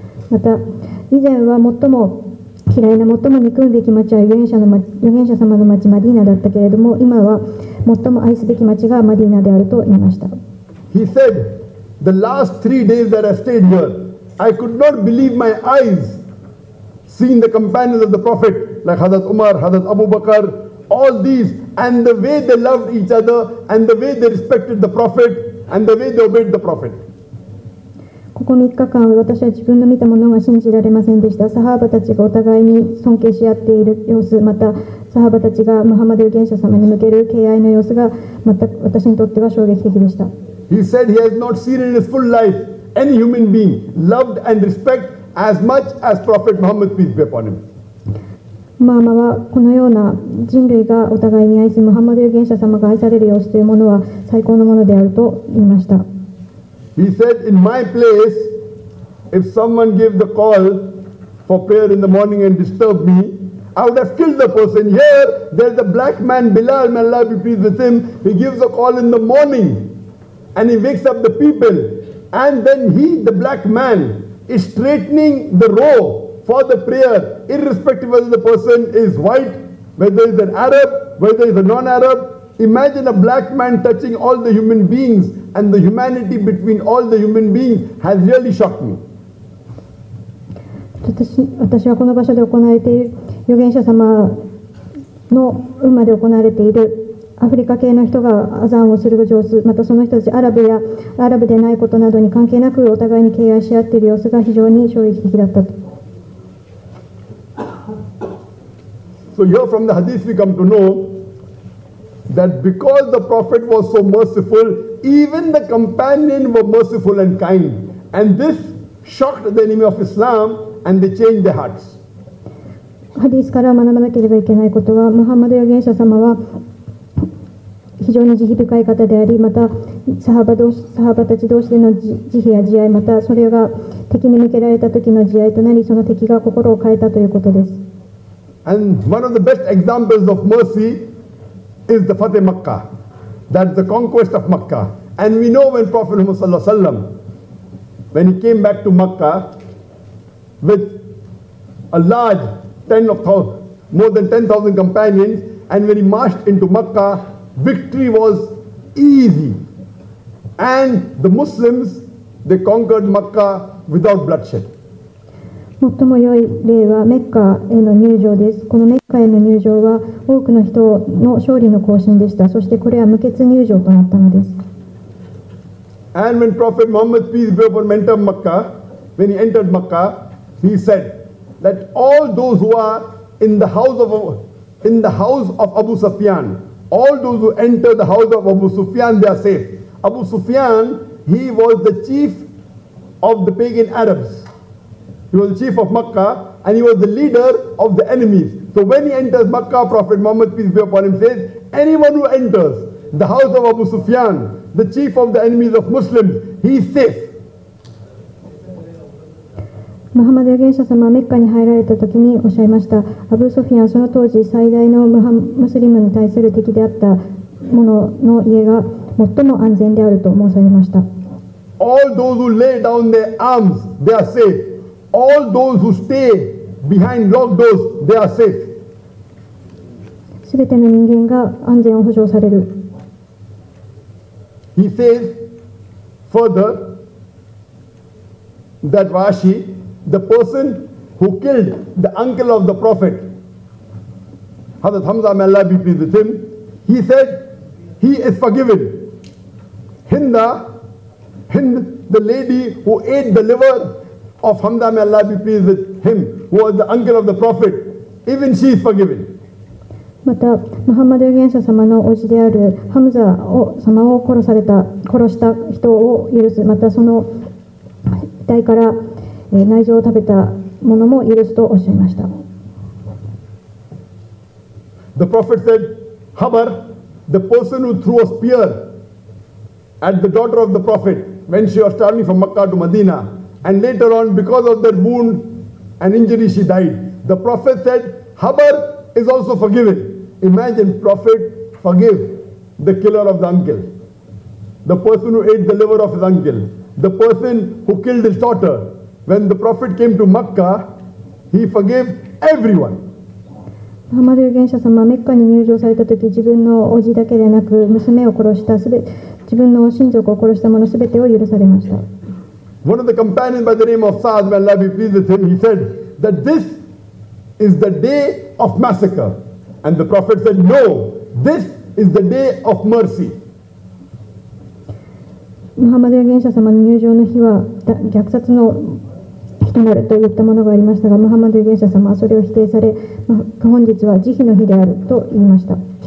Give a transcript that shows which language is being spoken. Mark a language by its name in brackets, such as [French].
[Japanese] また、以前は最も嫌いな、最も憎むべき町は預言者様の町マディーナだったけれども、今は最も愛すべき町がマディーナであると言いました。 [English] He said, the last three days that I stayed here,I could not believe my eyes seeing the companions of the Prophet like Hazrat Umar, Hazrat Abu Bakr, all these, and the way they loved each other, and the way they respected the Prophet, and the way they obeyed the Prophet. [Japanese] ここ3日間、私は自分の見たものが信じられませんでした。サハーバたちがお互いに尊敬し合っている様子、またサハーバたちがムハンマド預言者様に向ける敬愛の様子が、また私にとっては衝撃的でした。 [English] He said he has not seen in his full life. Any human being loved and respected as much as Prophet Muhammad, peace be upon him. [Japanese] ママはこのような人類がお互いに愛し、ムハンマド預言者様が愛される様子というものは最高のものであると言いました。 [English] He said, in my place, if someone gave the call for prayer in the morning and disturbed me, I would have killed the person. Here, there's a black man, Bilal, may Allah be pleased with him. He gives a call in the morning and he wakes up the people. And then he, the black man, is straightening the row for the prayer, irrespective whether the person is white, whether he's an Arab, whether he's a non-Arab. Imagine a black man touching all the human beings, and the humanity between all the human beings has really shocked me. [Japanese] 私はこの場所で行われている預言者様の運まで行われているアフリカ系の人がアザンをする様子、またその人たちアラブでないことなどに関係なくお互いに敬愛し合っている様子が非常に衝撃的だったと。 [English] So here from the hadith we come to know that because the Prophet was so merciful, even the companions were merciful and kind. And this shocked the enemy of Islam and they changed their hearts. [Japanese] ハディスから学ばなければいけないことは、ムハンマド預言者様は非常に慈悲深い方であり、またサハバたち同士での慈悲や慈愛、またそれが敵に向けられた時の慈愛となり、その敵が心を変えたということです。 [English] And one of the best examples of mercy is the Fateh Makkah, that is the conquest of Makkah. And we know when Prophet Muhammad [Arabic] sallallahu alaihi wasallam, [English] when he came back to Makkah with a large 10,000, more than 10,000 companions, and when he marched into Makkah, victory was easy. And the Muslims, they conquered Makkah without bloodshed. [Japanese] 最も良い例はメッカへの入場です。このメッカへの入場は多くの人の勝利の行進でした。そしてこれは無血入場となったのです。 [English] And when Prophet Muhammad, peace be upon him, entered Makkah, when he entered Makkah, he said that all those who are in the house of Abu Sufyan, all those who enter the house of Abu Sufyan, they are safe. Abu Sufyan, he was the chief of the pagan Arabs. He was the chief of Makkah and he was the leader of the enemies. So when he enters Makkah, Prophet Muhammad, peace be upon him, says, anyone who enters the house of Abu Sufyan, the chief of the enemies of Muslims, he is safe. [Japanese] ムハンマド預言者様はメッカに入られた時におっしゃいました。アブ・ソフィアンはその当時最大のムスリムに対する敵であった者の家が最も安全であると申されました。 [English] All those who lay down their arms, they are safe. All those who stay behind locked doors, they are safe. [Japanese] すべての人間が安全を保障される。 [English] He says further that Rashi,The person who killed the uncle of the Prophet, Hazrat Hamza, may Allah be pleased with him, he said, he is forgiven. Hind, the lady who ate the liver of Hamza, may Allah be pleased with him, who was the uncle of the Prophet, even she is forgiven. [Japanese] また、ムハンマド預言者様のおじであるハムザ様を殺した人を許す、またその遺体から内臓を食べたものも許すとおっしゃいました。 [English] The Prophet said, Habar, the person who threw a spear at the daughter of the Prophet when she was traveling from Makkah to Medina, and later on, because of that wound and injury, she died. The Prophet said, Habar is also forgiven. Imagine, Prophet forgive the killer of the uncle, the person who ate the liver of his uncle, the person who killed his daughter. When the Prophet came to Makkah, he forgave everyone. [Japanese] ムハンマド預言者様はメッカに入場されたとき、自分のおじだけでなく娘を殺した自分の親族を殺した者すべてを許されました。 [English] One of the companions by the name of Saad, may Allah be pleased with him, he said that this is the day of massacre. And the Prophet said, no, this is the day of mercy. [Japanese] ムハンマド預言者様の入場の日は虐殺の人になると言ったものがありましたが、ムハンマド預言者様はそれを否定され、本日は慈悲の日であると言いました。